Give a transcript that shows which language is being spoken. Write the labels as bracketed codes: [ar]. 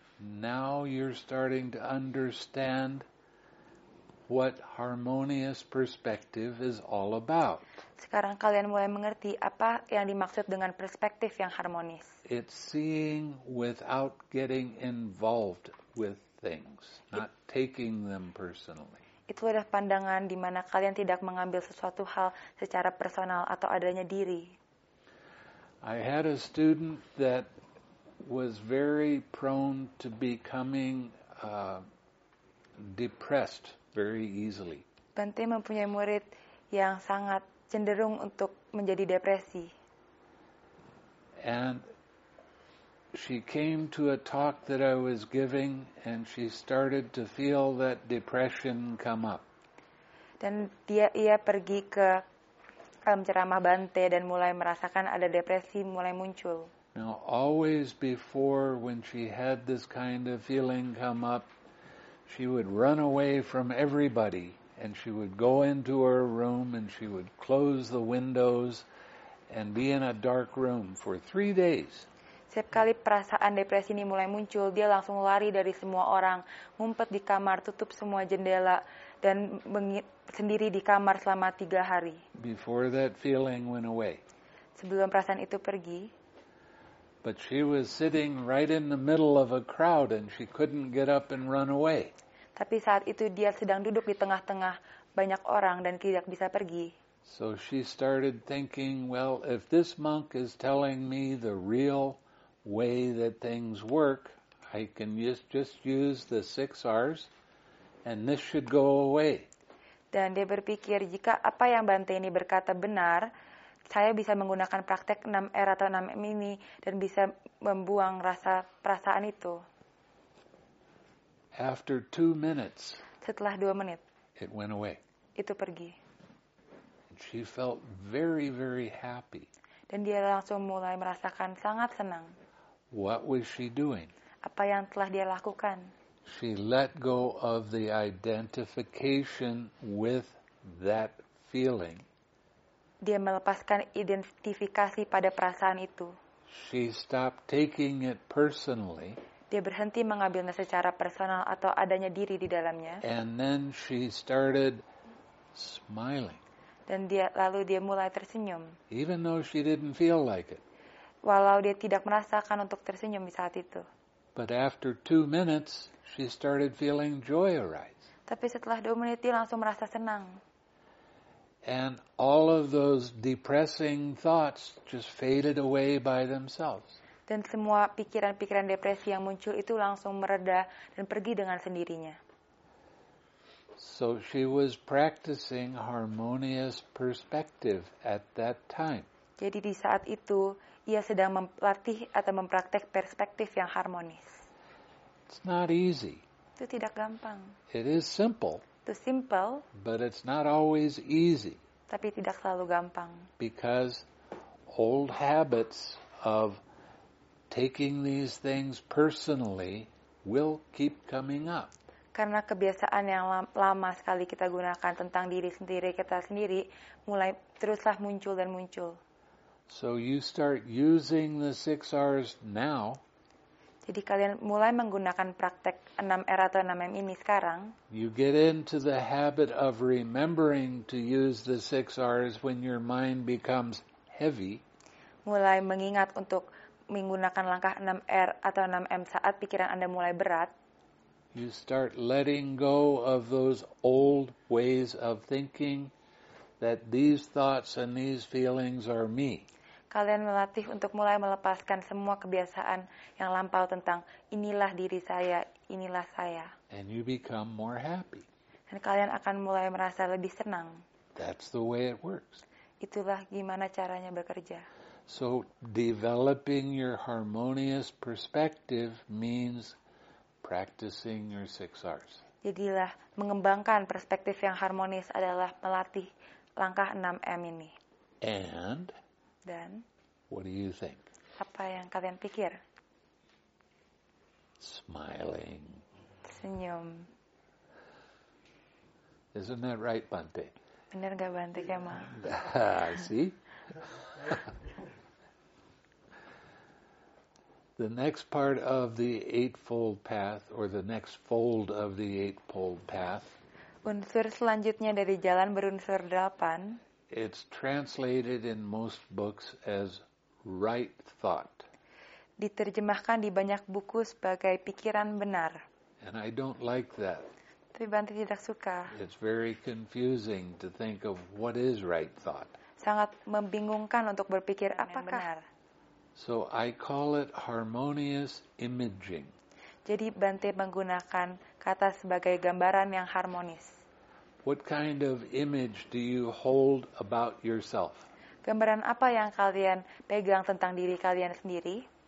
[en] Now you're starting to understand what harmonious perspective is all about. [id] Sekarang kalian mulai mengerti apa yang dimaksud dengan perspektif yang harmonis. [en] It's seeing without getting involved with things, not taking them personally. [id] Itu adalah pandangan di mana kalian tidak mengambil sesuatu hal secara personal atau adanya diri. [en] I had a student that was very prone to becoming depressed very easily. [id] Bante mempunyai murid yang sangat cenderung untuk menjadi depresi. [en] And she came to a talk that I was giving and she started to feel that depression come up. [id] Dan ia pergi ke ceramah Bante dan mulai merasakan ada depresi mulai muncul. [en] Now, always before when she had this kind of feeling come up, she would run away from everybody and she would go into her room and she would close the windows and be in a dark room for 3 days. [id] Setiap kali perasaan depresi ini mulai muncul, dia langsung lari dari semua orang, ngumpet di kamar, tutup semua jendela, dan sendiri di kamar selama 3 hari. [en] Before that feeling went away. [id] Sebelum perasaan itu pergi. [en] But she was sitting right in the middle of a crowd and she couldn't get up and run away. [id] Tapi saat itu dia sedang duduk di tengah-tengah banyak orang dan tidak bisa pergi. [en] So she started thinking, well, if this monk is telling me the real way that things work, I can just use the 6 R's and this should go away. [id] Dan dia berpikir, jika apa yang Bante ini berkata benar, saya bisa menggunakan praktek 6R atau 6M ini dan bisa membuang rasa perasaan itu. [en] After 2 minutes, [id] setelah 2 menit, [en] it went away. [id] Itu pergi. [en] And she felt very, very happy. [id] Dan dia langsung mulai merasakan sangat senang. [en] What was she doing? [id] Apa yang telah dia lakukan? [en] She let go of the identification with that feeling. [id] Dia melepaskan identifikasi pada perasaan itu. [en] She stopped taking it personally. [id] Dia berhenti mengambilnya secara personal atau adanya diri di dalamnya. [en] And then she started smiling. [id] Dan dia mulai tersenyum. [en] Even though she didn't feel like it. [id] Walau dia tidak merasakan untuk tersenyum di saat itu. [en] But after 2 minutes, she started feeling joy arise. [id] Tapi setelah 2 menit, dia langsung merasa senang. [en] And all of those depressing thoughts just faded away by themselves. [id] Dan semua pikiran-pikiran depresi yang muncul itu langsung mereda dan pergi dengan sendirinya. [en] So she was practicing harmonious perspective at that time. [id] Jadi di saat itu ia sedang melatih atau mempraktek perspektif yang harmonis. [en] It's not easy. [id] Itu tidak gampang. [en] It is simple. [id] Itu simple. [en] But it's not always easy. [id] Tapi tidak selalu gampang. [en] Because old habits of taking these things personally will keep coming up. [id] Karena kebiasaan yang lama sekali kita gunakan tentang diri sendiri, kita sendiri, mulai teruslah muncul dan muncul. [en] So you start using the 6 R's now. [id] Jadi kalian mulai menggunakan praktek 6 R atau 6 M ini sekarang. [en] You get into the habit of remembering to use the 6 R's when your mind becomes heavy. [id] Mulai mengingat untuk menggunakan langkah 6 R atau 6 M saat pikiran Anda mulai berat. [en] You start letting go of those old ways of thinking that these thoughts and these feelings are me. [id] Kalian melatih untuk mulai melepaskan semua kebiasaan yang lampau tentang inilah diri saya, inilah saya. [en] And you become more happy. [id] Dan kalian akan mulai merasa lebih senang. [en] That's the way it works. [id] Itulah gimana caranya bekerja. [en] So developing your harmonious perspective means practicing your 6 R's. [id] Jadilah mengembangkan perspektif yang harmonis adalah melatih langkah 6 M ini. [en] And then what do you think? [id] Apa yang kalian pikir? [en] Smiling. [id] Senyum. [en] Isn't that right, Bante? [id] Benar enggak Bante, Kema? [en] See? The next part of the Eightfold Path, or the next fold of the Eightfold Path. [id] Unsur selanjutnya dari jalan berunsur 8. [en] It's translated in most books as right thought. [id] Diterjemahkan di banyak buku sebagai pikiran benar. [en] And I don't like that. [id] Tapi Bante tidak suka. [en] It's very confusing to think of what is right thought. [id] Sangat membingungkan untuk berpikir apakah benar. [en] So I call it harmonious imaging. [id] Jadi Bante menggunakan kata sebagai gambaran yang harmonis. [en] What kind of image do you hold about yourself? [id] Gambaran apa yang kalian pegang tentang diri kalian sendiri?